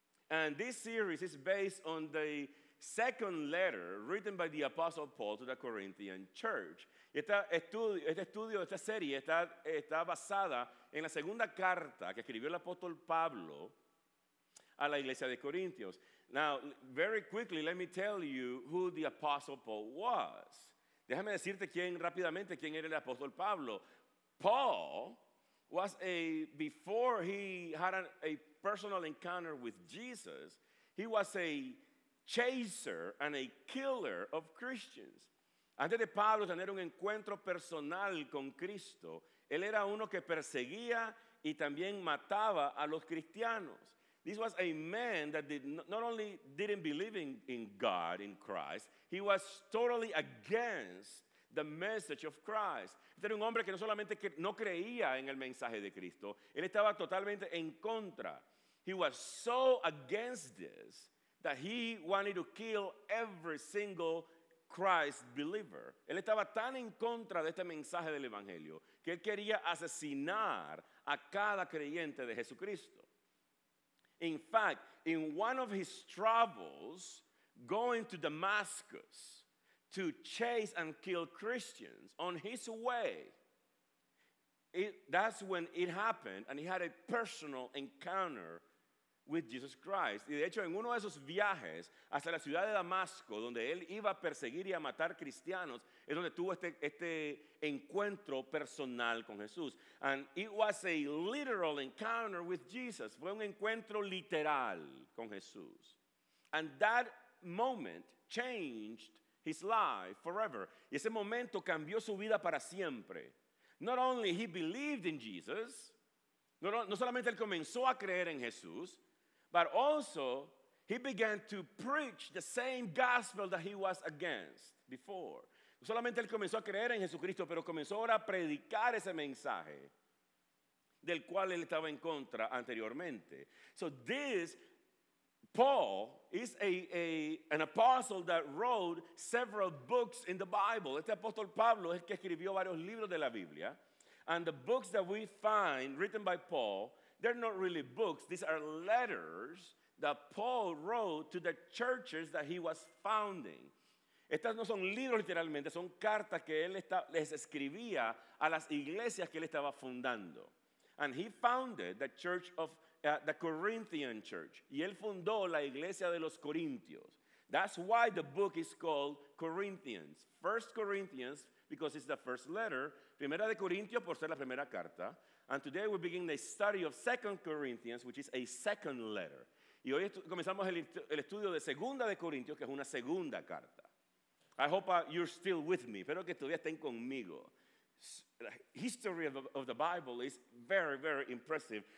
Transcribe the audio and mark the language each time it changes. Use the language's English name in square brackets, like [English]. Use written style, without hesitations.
[English] And this series is based on the second letter written by the Apostle Paul to the Corinthian church. [Spanish] Esta serie está basada en la segunda carta que escribió el apóstol Pablo a la iglesia de Corintios. [English] Now, very quickly, let me tell you who the Apostle Paul was. [Spanish] Déjame decirte rápidamente quién era el apóstol Pablo. [English] Paul was before he had a personal encounter with Jesus, he was a chaser and a killer of Christians. [Spanish] Antes de Pablo tener un encuentro personal con Cristo, él era uno que perseguía y también mataba a los cristianos. [English] This was a man that not only didn't believe in God, in Christ, he was totally against the message of Christ. [Spanish] Este era un hombre que no solamente no creía en el mensaje de Cristo, él estaba totalmente en contra. [English] He was so against this that he wanted to kill every single Christ believer. [Spanish] Él estaba tan en contra de este mensaje del Evangelio que él quería asesinar a cada creyente de Jesucristo. [English] In fact, in one of his travels going to Damascus to chase and kill Christians on his way, that's when it happened and he had a personal encounter with Jesus Christ. [Spanish] Y de hecho, en uno de esos viajes hacia la ciudad de Damasco, donde él iba a perseguir y a matar cristianos, es donde tuvo este encuentro personal con Jesús. [English] And it was a literal encounter with Jesus. [Spanish] Fue un encuentro literal con Jesús. [English] And that moment changed his life forever. [Spanish] Y ese momento cambió su vida para siempre. [English] Not only he believed in Jesus, [Spanish] no solamente él comenzó a creer en Jesús, [English] but also he began to preach the same gospel that he was against before. [Spanish] No solamente él comenzó a creer en Jesucristo, pero comenzó ahora a predicar ese mensaje del cual él estaba en contra anteriormente. [English] So this Paul is an apostle that wrote several books in the Bible. [Spanish] Este apóstol Pablo es el que escribió varios libros de la Biblia. [English] And the books that we find written by Paul, they're not really books. These are letters that Paul wrote to the churches that he was founding. [Spanish] Estas no son libros literalmente, son cartas que él les escribía a las iglesias que él estaba fundando. [English] And he founded the church of the Corinthian church. [Spanish] Y él fundó la iglesia de los Corintios. [English] That's why the book is called Corinthians. First Corinthians, because it's the first letter. [Spanish] Primera de Corintios, por ser la primera carta. [English] And today we begin the study of 2 Corinthians, which is a second letter. [Spanish] Y hoy comenzamos el estudio de Segunda de Corintios, que es una segunda carta. [English] I hope you're still with me. [Spanish] Espero que todavía estén conmigo. [English] The history of the Bible is very, very impressive.